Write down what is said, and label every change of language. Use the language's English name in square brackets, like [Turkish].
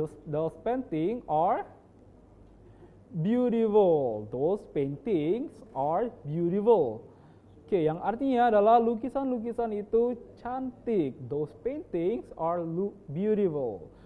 [English] Those paintings are beautiful. Those paintings are beautiful. [Indonesian] Oke, okay, yang artinya adalah lukisan-lukisan itu cantik. [English] Those paintings are beautiful.